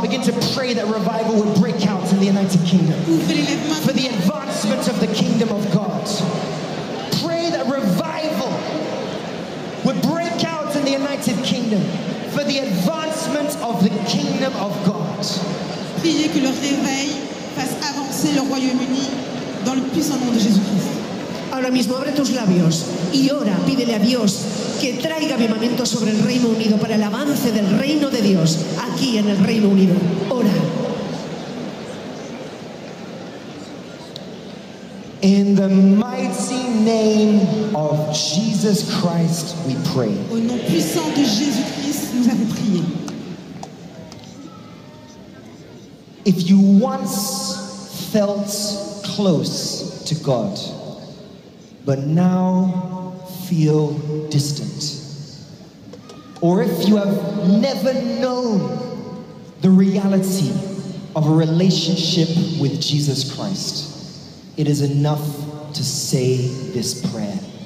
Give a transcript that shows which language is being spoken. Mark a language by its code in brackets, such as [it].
[en] Begin to pray that revival would break out in the United Kingdom for the advancement of the kingdom of God. Pray that revival would break out in the United Kingdom for the advancement of the kingdom of God. [fr] Priez que le réveil fasse avancer le Royaume-Uni dans le puissant nom de Jésus-Christ. [es] Ahora mismo abre tus labios y ora, pídele a Dios que traiga avivamiento sobre el Reino Unido para el avance del Reino de Dios aquí en el Reino Unido. Ora. [en] In the mighty name of Jesus Christ, we pray. [fr] Au nom puissant de Jésus-Christ, nous avons prié. [en] If you once felt close to God, but now feel distant, or if you have never known the reality of a relationship with Jesus Christ, it is enough to say this prayer.